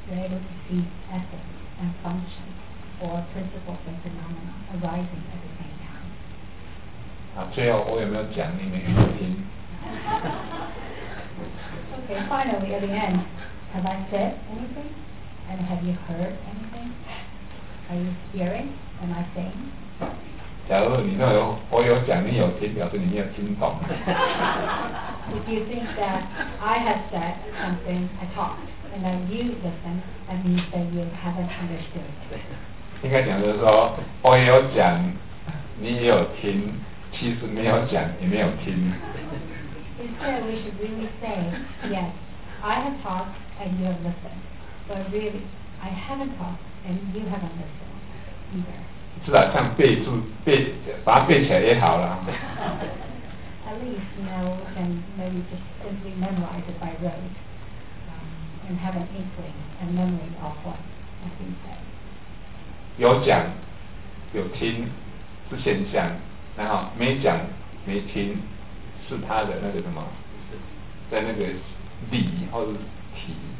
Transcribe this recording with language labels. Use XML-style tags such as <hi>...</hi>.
<en>You're able to see essence and function, or principles and phenomena arising at the same time.</en> <zh>啊，最后我有没有讲你没有听？</zh> <en>Okay, finally at the end, have I said anything? And have you heard anything? Are you hearing? Am I saying?</en> <zh>假如你没有，我有讲，你有听，表示你没有听懂。</zh> <en>If you think that I have said something, I talked, and that you listened, that means that you haven't understood.</en> <zh>应该讲就是说，我有讲，你也有听，其实没有讲，也没有听。</zh> <en>Instead, we should really say, yes, I have talked and you have listened. But really, I haven't talked and you haven't listened either.</en> <zh>是啊，像背住，把它背起来也好啦。</zh> <en>at least, you know, can maybe just simply memorize it by rote and have an inkling and memory of what has been said.</en> <zh>有讲，有听，是先讲，然后没讲，没听，是他的那个什么，在那个理或者体。</zh>